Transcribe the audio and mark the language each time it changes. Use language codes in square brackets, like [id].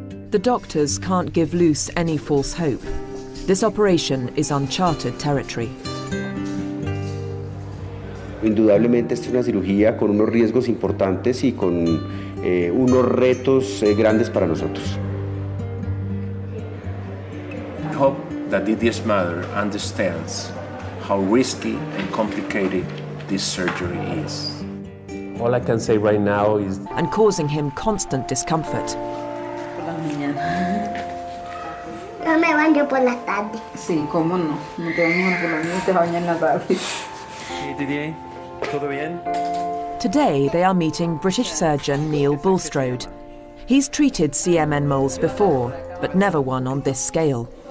[en] The doctors can't give Luz any false hope. This operation is uncharted territory. [es] Indudablemente, esta es una cirugía con unos riesgos importantes y con unos retos grandes para nosotros. [en] I hope that Didier's mother understands how risky and complicated this surgery is. All I can say right now is... And causing him constant discomfort. [es] Por la mañana. No me baño por la tarde. Sí, cómo no. No te baño por la mañana, te baño en la tarde. Hey, Didier, ¿todo bien? [en] Today, they are meeting British surgeon Neil Bulstrode. He's treated CMN moles before, but never one on this scale.